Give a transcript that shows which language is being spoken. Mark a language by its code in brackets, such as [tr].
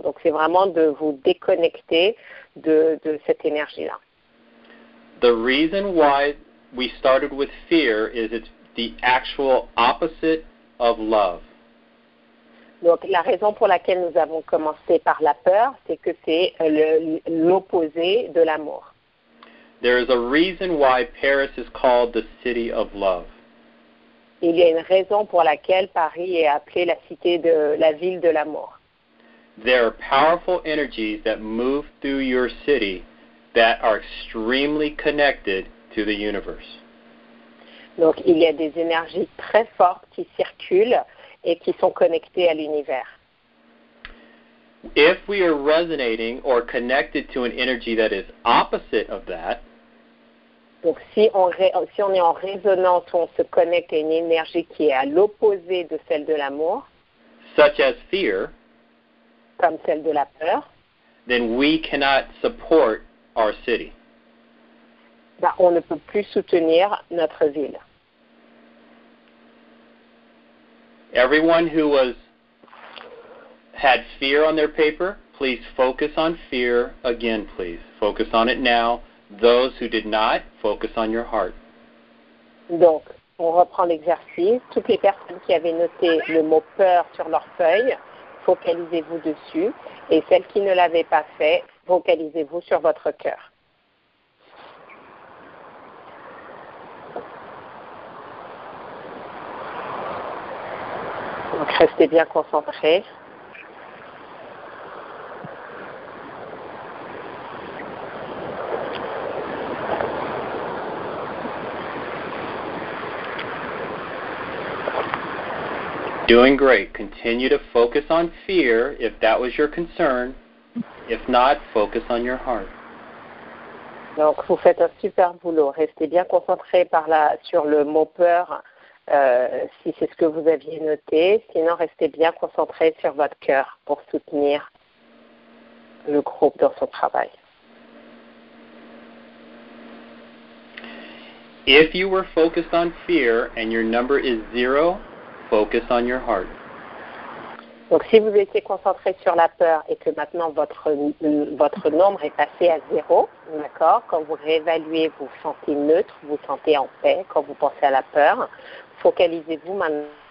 [fr] Donc, c'est vraiment de vous déconnecter de cette énergie-là. [en] The reason why we started with fear is it's the actual opposite of love. [fr] Donc, la raison pour laquelle nous avons commencé par la peur, c'est que c'est l'opposé de l'amour. [en] There is a reason why Paris is called the city of love. [fr] Il y a une raison pour laquelle Paris est appelée la cité de la ville de l'amour. [en] There are powerful energies that move through your city that are extremely connected to the universe. [fr] Donc il y a des énergies très fortes qui circulent et qui sont connectées à l'univers. [en] If we are resonating or connected to an energy that is opposite of that, [fr] donc si on est en résonance ou on se connecte à une énergie qui est à l'opposé de celle de l'amour, [en] such as fear, [fr] comme celle de la peur, [en] then we cannot support our city. [fr] Ben, on ne peut plus soutenir notre ville. [en] Everyone who was had fear on their paper, please focus on fear again, please. Focus on it now. Those who did not, focus on your heart. [fr] Donc, on reprend l'exercice. Toutes les personnes qui avaient noté le mot peur sur leur feuille, focalisez-vous dessus. Et celles qui ne l'avaient pas fait, focalisez-vous sur votre cœur. Donc, restez bien concentrés. [en] Doing great. Continue to focus on fear if that was your concern. If not, focus on your heart. [fr] Donc, vous faites un super boulot. Restez bien concentrés sur le mot peur. Si c'est ce que vous aviez noté, sinon restez bien concentré sur votre cœur pour soutenir le groupe dans son travail. [en] If you were focused on fear and your number is zero, focus on your heart. [fr] Donc si vous étiez concentré sur la peur et que maintenant votre nombre est passé à zéro, d'accord, quand vous réévaluez, vous vous sentez neutre, vous vous sentez en paix quand vous pensez à la peur, focalisez-vous maintenant.